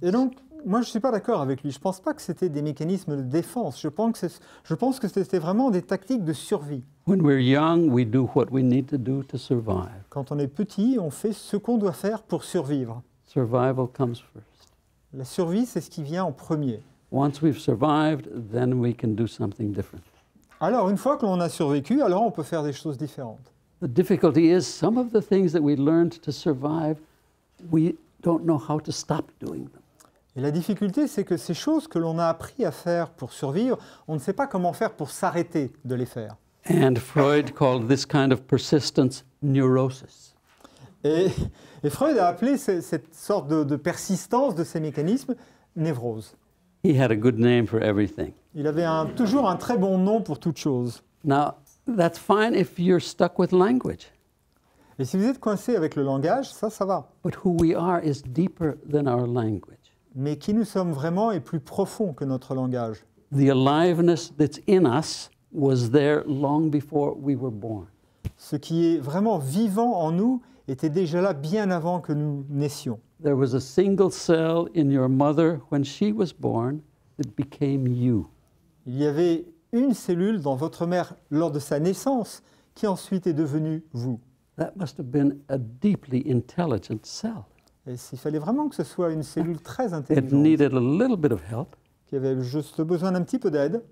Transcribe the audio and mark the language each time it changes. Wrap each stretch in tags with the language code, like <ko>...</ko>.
<fr>Et donc, moi, je ne suis pas d'accord avec lui. Je ne pense pas que c'était des mécanismes de défense. Je pense que c'était vraiment des tactiques de survie.</fr> <en>When we're young, we do what we need to do to survive.</en> <fr>Quand on est petit, on fait ce qu'on doit faire pour survivre.</fr> <en>Survival comes first.</en> <fr>La survie, c'est ce qui vient en premier.</fr> <en>Once we've survived, then we can do something different.</en> <fr>Alors, une fois que l'on a survécu, alors on peut faire des choses différentes.</fr> <en>The difficulty is some of the things that we learned to survive, we don't know how to stop doing them.</en> <fr>Et la difficulté, c'est que ces choses que l'on a appris à faire pour survivre, on ne sait pas comment faire pour s'arrêter de les faire.</fr> <en>And Freud called this kind of persistence neurosis.</en> <fr>Et Freud a appelé cette sorte de persistance de ces mécanismes névrose.</fr> <en>He had a good name for everything.</en> <fr>Il avait toujours un très bon nom pour toute chose.</fr> <en>Now, that's fine if you're stuck with language.</en> <fr>Et si vous êtes coincé avec le langage, ça va.</fr> <en>But who we are is deeper than our language.</en> <fr>Mais qui nous sommes vraiment est plus profond que notre langage.</fr> <en>The aliveness that's in us was there long before we were born.</en> <fr>Ce qui est vraiment vivant en nous était déjà là bien avant que nous naissions.</fr> <en>There was a single cell in your mother when she was born that became you.</en> <fr>Il y avait une cellule dans votre mère lors de sa naissance qui ensuite est devenue vous.</fr> <en>That must have been a deeply intelligent cell.</en> <fr>Et il fallait vraiment que ce soit une cellule très intelligente qui avait juste besoin d'un petit peu d'aide.</fr>